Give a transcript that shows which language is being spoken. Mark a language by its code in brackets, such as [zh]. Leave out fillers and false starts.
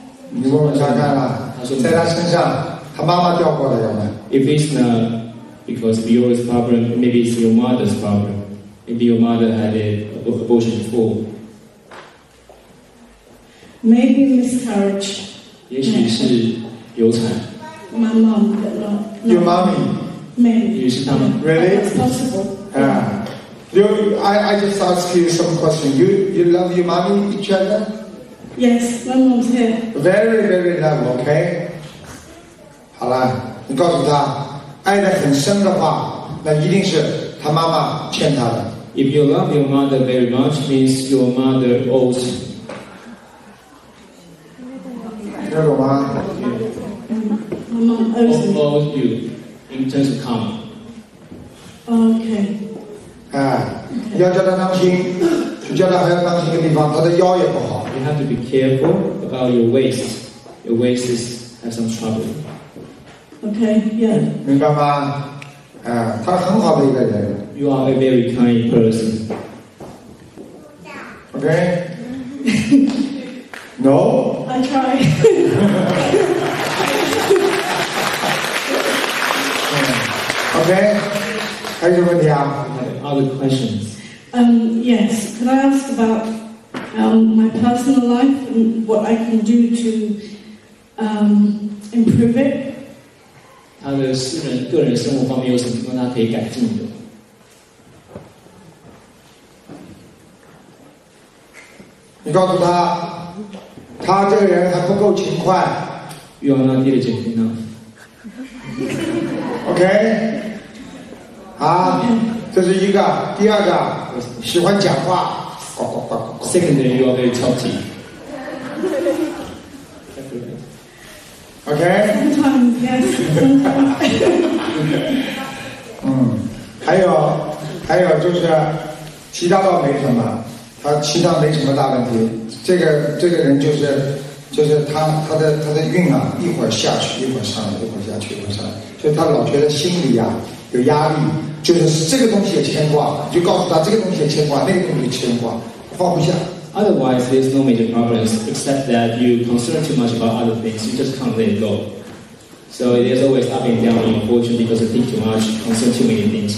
[zh] 你问问他看啦，在他身上。他妈妈掉过的有没有 [en] If it's not because your problem, maybe it's your mother's problem. Maybe your mother had an abortion before. Maybe miscarriage. [zh] 也许是流产。 [en] My mom did not. Your mommy. Maybe. [zh] 也许是他们。 [en] Really? It's possible. Yeah. I just ask you some question. You love your mommy each other? Yes, my mom's here. Very, very love, okay? [zh] 好了，你告诉他，爱得很深的话，那一定是他妈妈欠他的。 [en] If you love your mother very much, means your mother owes you. [zh] 听懂吗？ [en] Mom owes you in terms of karma. Okay. [zh] 哎，要叫他当心，叫他还要当心一个地方，他的腰也不好。 [en] You have to be careful about your waist. Your waist is have some trouble. Okay, yeah. [zh] 明白吗？他很好的一个人。 [en] You are a very kind person. Okay? No? I try. [zh] 嗯 ，Okay. 还有什么问题啊 [en] ？Other questions. Yes. Can I ask about my personal life and what I can do to improve it? [zh] 他的私人个人生活方面有什么地方他可以改进的？你告诉他，他这个人还不够勤快。 [en] You are not diligent enough. [zh] Okay. 啊，这是一个。第二个，喜欢讲话。 [en] Secondly, you are very talky. Okay. Sometimes, yes. Sometimes. [zh] 还有就是，其他倒没什么，他其他没什么大问题。这个人就是他的运啊，一会儿下去，一会儿上来，一会儿下去，一会儿上来，所以他老觉得心里啊有压力，就是这个东西也牵挂，就告诉他这个东西也牵挂，那个东西也牵挂，放不下。 [en] Otherwise, there's no major problems except that you concern too much about other things. You just can't let it go. So there's always up and down in fortune because you think too much, concern too many things.